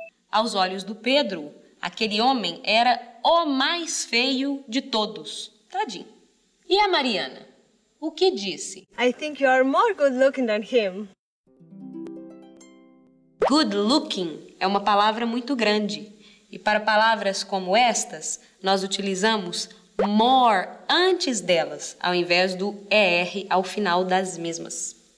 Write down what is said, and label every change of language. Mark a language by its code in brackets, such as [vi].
[pt] Aos olhos do Pedro, aquele homem era o mais feio de todos. Tadinho. E a Mariana? O que disse? [en] I think you are more good-looking than him. [pt] Good-looking é uma palavra muito grande. E para palavras como estas, nós utilizamos more antes delas, ao invés do er ao final das mesmas.